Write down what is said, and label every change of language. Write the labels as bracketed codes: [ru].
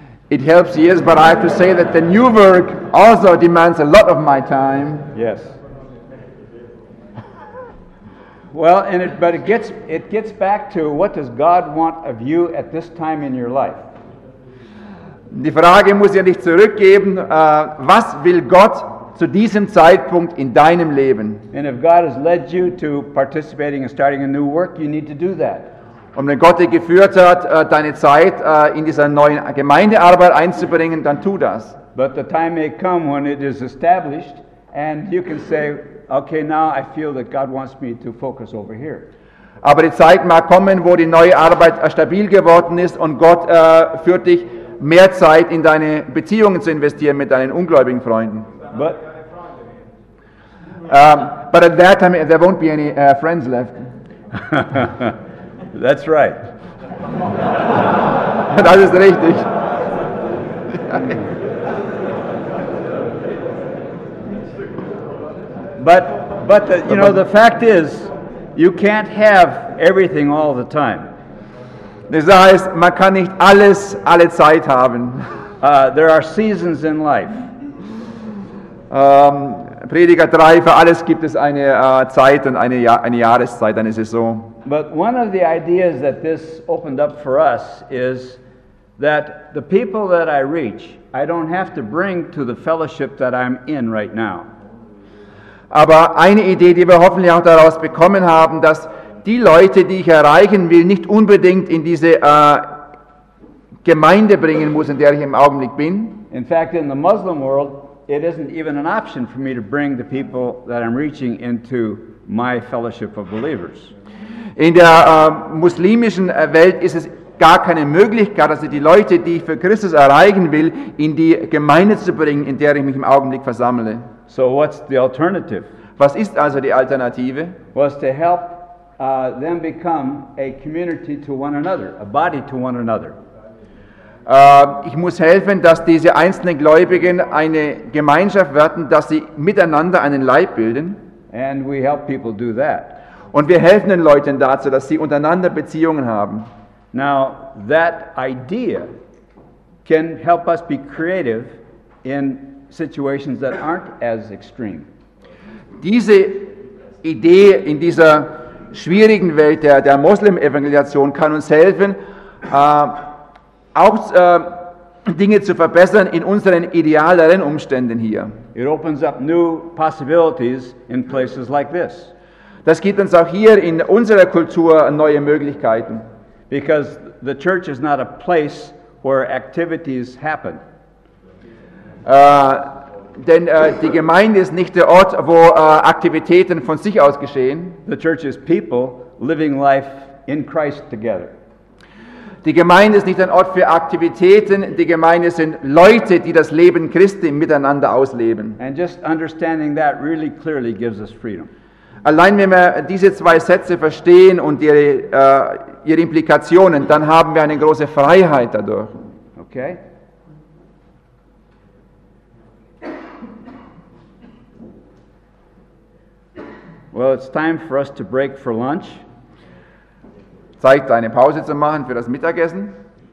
[en] It helps, yes, but I have to say that the new work also demands a lot of my time. Yes. Well, and it gets back to what does God want of you at this time in your life? [de] Die Frage muss ja nicht zurückgeben, was will Gott zu diesem Zeitpunkt in deinem Leben? [en] And if God has led you to participating and starting a new work, you need to do that. [de] Und wenn Gott dich geführt hat, deine Zeit in dieser neuen Gemeindearbeit einzubringen, dann tu das. [en] But the time may come when it is established and you can say, okay, now I feel that God wants me to focus over here. [de] Aber die Zeit mag kommen, wo die neue Arbeit stabil geworden ist und Gott führt dich, mehr Zeit in deine Beziehungen zu investieren mit deinen ungläubigen Freunden. [en] But, but at that time, there won't be any friends left. That's right. [de] Das ist richtig. [en] But the, you know, the fact is, you can't have everything all the time. [de] Das heißt, man kann nicht alles alle Zeit haben. [en] There are seasons in life. [de] Prediger 3, für alles gibt es eine Zeit und eine Jahreszeit, eine Saison. [en] But one of the ideas that this opened up for us is that the people that I reach, I don't have to bring to the fellowship that I'm in right now. [de] Aber eine Idee, die wir hoffentlich auch daraus bekommen haben, dass die Leute, die ich erreichen will, nicht unbedingt in diese Gemeinde bringen muss, in der ich im Augenblick bin. [en] In fact, in the Muslim world, it isn't even an option for me to bring the people that I'm reaching into my fellowship of believers. [de] In der muslimischen Welt ist es gar keine Möglichkeit, dass ich die Leute, die ich für Christus erreichen will, in die Gemeinde zu bringen, in der ich mich im Augenblick versammle. [en] So what's the alternative? [de] Was ist also die Alternative? [en] Was to help them become a community to one another, a body to one another. [de] Ich muss helfen, dass diese einzelnen Gläubigen eine Gemeinschaft werden, dass sie miteinander einen Leib bilden. [en] And we help people do that. [de] Und wir helfen den Leuten dazu, dass sie untereinander Beziehungen haben. [en] Now, that idea can help us be creative in situations that aren't as extreme. [de] Diese Idee in dieser schwierigen Welt der Muslim-Evangelisation kann uns helfen, auch Dinge zu verbessern in unseren idealeren Umständen hier. [en] It opens up new possibilities in places like this. [de] Das gibt uns auch hier in unserer Kultur neue Möglichkeiten. [en] Because the church is not a place where activities happen. [de] Denn die Gemeinde ist nicht der Ort, wo Aktivitäten von sich aus geschehen. [en] The church is people living life in Christ together. [de] Die Gemeinde ist nicht ein Ort für Aktivitäten. Die Gemeinde sind Leute, die das Leben Christi miteinander ausleben. [en] And just understanding that really clearly gives us freedom. [de] Allein wenn wir diese zwei Sätze verstehen und ihre Implikationen, dann haben wir eine große Freiheit dadurch. [en] Okay. Well, it's time for us to break for lunch. [de] Zeit, eine Pause zu machen für das Mittagessen.